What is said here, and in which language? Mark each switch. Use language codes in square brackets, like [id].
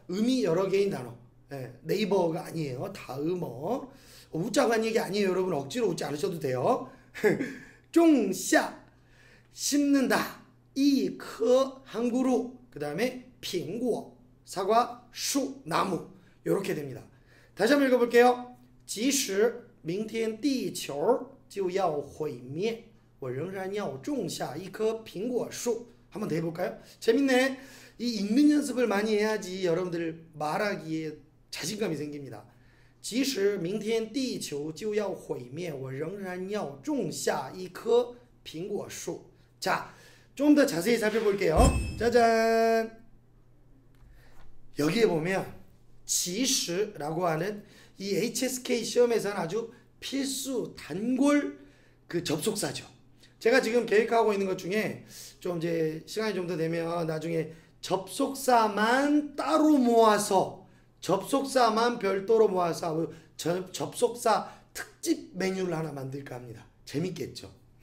[ko] 음이 여러 개인 단어. 네이버가 아니에요. 다음어. 웃자고 한 얘기 아니에요, 여러분. 억지로 웃지 않으셔도 돼요. 종샤, 심는다. 이커, 한 그루. 그 다음에 핑구어, 사과, 수, 나무. 요렇게 됩니다. 다시 한번 읽어볼게요. [zh] 即使 明天地球就要毁灭, 我仍然要种下一棵苹果树. [ko] 한번 더 해볼까요? 재밌네. 이 읽는 연습을 많이 해야지 여러분들 말하기에 자신감이 생깁니다. [zh] 即使 明天地球就要毁灭, 我仍然要种下一棵苹果树. [ko] 자, 좀더 자세히 살펴볼게요. 짜잔! 여기에 보면, 即使라고 하는 이 HSK 시험에서는 아주 필수 단골 그 접속사죠. 제가 지금 계획하고 있는 것 중에 좀 이제 시간이 좀더 되면 나중에 접속사만 따로 모아서, 접속사만 별도로 모아서 접속사 특집 메뉴를 하나 만들까 합니다. 재밌겠죠?